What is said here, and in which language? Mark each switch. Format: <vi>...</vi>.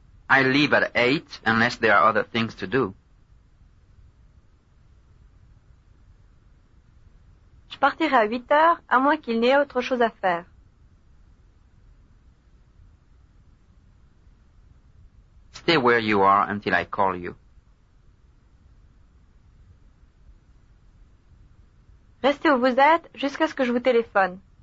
<en>I leave at 8 unless there are other things to do.</en> <fr>Je partirai à 8 heures à moins qu'il n'y ait autre chose à faire.</fr> <en>Stay where you are until I call you.</en> <fr>Restez où vous êtes jusqu'à ce que je vous téléphone.</fr>